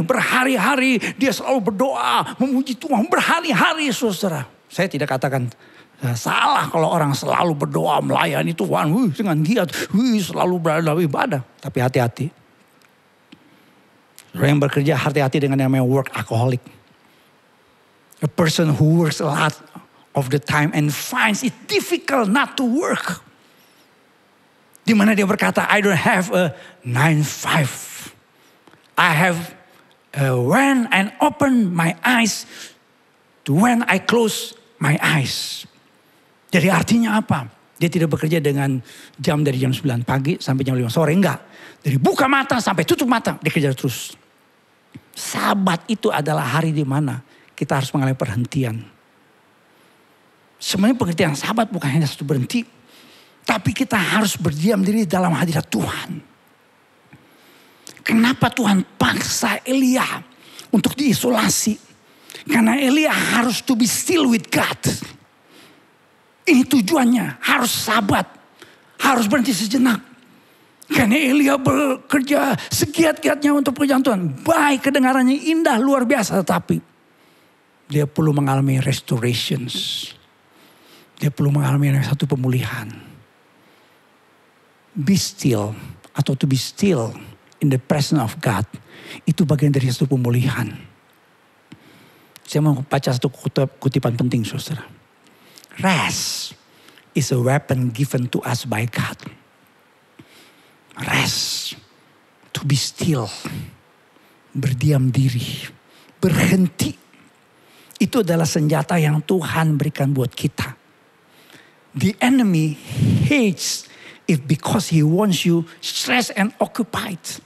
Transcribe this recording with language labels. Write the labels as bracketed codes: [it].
[id] Berhari-hari dia selalu berdoa memuji Tuhan. Berhari-hari saudara. Saya tidak katakan. Salah kalau orang selalu berdoa melayani Tuhan. Dengan giat. Selalu berada dalam ibadah. Tapi hati-hati. Orang yang bekerja hati-hati dengan yang namanya work alcoholic. [en] A person who works a lot of the time and finds it difficult not to work. [id] Dimana dia berkata, [en] I don't have a 9-5. I have when I open my eyes to when I close my eyes. [id] Jadi artinya apa? Dia tidak bekerja dengan jam dari jam 9 pagi sampai jam 5 sore. Enggak. Dari buka mata sampai tutup mata. Dia kerja terus. Sabat itu adalah hari di mana kita harus mengalami perhentian. Sebenarnya pengertian sabat bukan hanya satu berhenti. Tapi kita harus berdiam diri dalam hadirat Tuhan. Kenapa Tuhan paksa Elia untuk diisolasi? Karena Elia harus [en] to be still with God. [id] Ini tujuannya, harus sabat, harus berhenti sejenak. Karena Elia bekerja segiat-giatnya untuk pekerjaan Tuhan. Baik kedengarannya indah, luar biasa, tetapi dia perlu mengalami restorations. Dia perlu mengalami satu pemulihan. [en] Be still, [id] atau [en] to be still in the presence of God, [id] itu bagian dari satu pemulihan. Saya mau baca satu kutipan penting, saudara. [en] Rest is a weapon given to us by God. Rest, to be still, [id] berdiam diri, berhenti. Itu adalah senjata yang Tuhan berikan buat kita. [en] The enemy hates it because he wants you stressed and occupied.